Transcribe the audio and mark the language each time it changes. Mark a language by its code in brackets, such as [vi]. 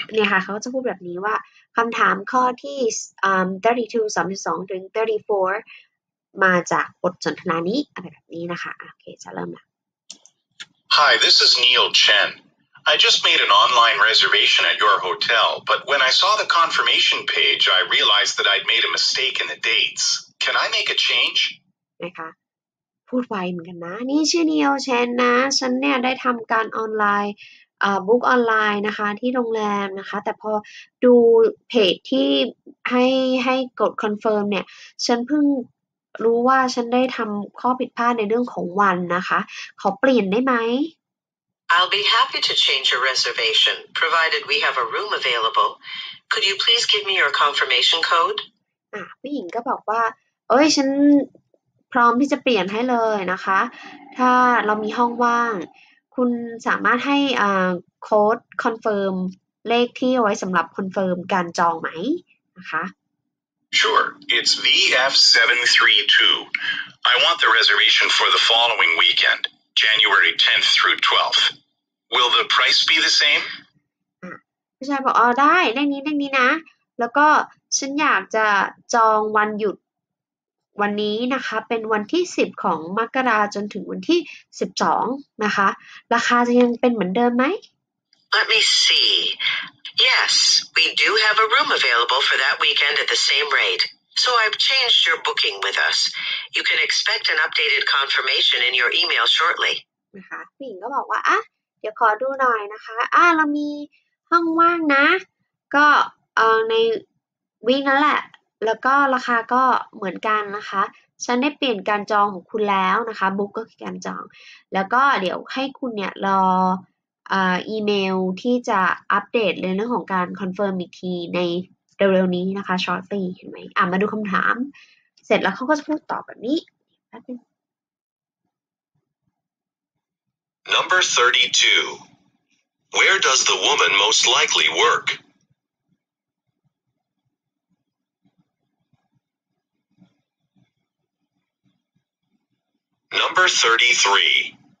[th] เนี่ยค่ะเขาจะพูดแบบนี้ว่าคำถามข้อที่32 32ถึง34มาจากบทสนทนานี้อะไรแบบนี้นะคะโอเคจะเริ่มละ [en] Hi, this is Neil Chen. I just made an online reservation at your hotel, but when I saw the confirmation page, I realized that I'd made a mistake in the dates. Can I make a change? [th] นะคะพูดไวเหมือนกันนะนี่ชื่อ Neil Chen นะฉันเนี่ยได้ทำการออนไลน์บุ๊กออนไลน์นะคะที่โรงแรมนะคะแต่พอดูเพจที่ให้กดคอนเฟิร์มเนี่ยฉันเพิ่งรู้ว่าฉันได้ทำข้อผิดพลาดในเรื่องของวันนะคะขอเปลี่ยนได้ไหม [en] I'll be happy to change your reservation provided we have a room available. Could you please give me your confirmation code? [th] ผู้หญิงก็บอกว่าเอ้ยฉันพร้อมที่จะเปลี่ยนให้เลยนะคะถ้าเรามีห้องว่างคุณสามารถให้โค้ดคอนเฟิร์มเลขที่เอาไว้สำหรับคอนเฟิร์มการจองไหมนะคะ [en] Sure, it's VF732. I want the reservation for the following weekend. January 10th through 12th. Will the price be the same? [th] พี่ชายบอกอ๋อได้ได้นี้ได้นี้นะแล้วก็ฉันอยากจะจองวันหยุดวันนี้นะคะเป็นวันที่10ของมกราจนถึงวันที่12นะคะราคาจะยังเป็นเหมือนเดิมไหม [en] Let me see. Yes, we do have a room available for that weekend at the same rate. So I've changed your booking with us. You can expect an updated confirmation in your email shortly. [th] นะคะผู้หญิงก็บอกว่าอ่ะเดี๋ยวขอดูหน่อยนะคะอ่ะเรามีห้องว่างนะก็ในวีนั่นแหละแล้วก็ราคาก็เหมือนกันนะคะฉันได้เปลี่ยนการจองของคุณแล้วนะคะบุ๊กก็คือการจองแล้วก็เดี๋ยวให้คุณเนี่ยรออีเมลที่จะอัปเดตเรื่องของการคอนเฟิร์มอีกทีในเร็วๆนี้นะคะช็อตตี้เห็นไหมมาดูคำถามเสร็จแล้วเขาก็จะพูดต่อแบบนี้ [en] Number 32 Where does the woman most likely workNumber 33.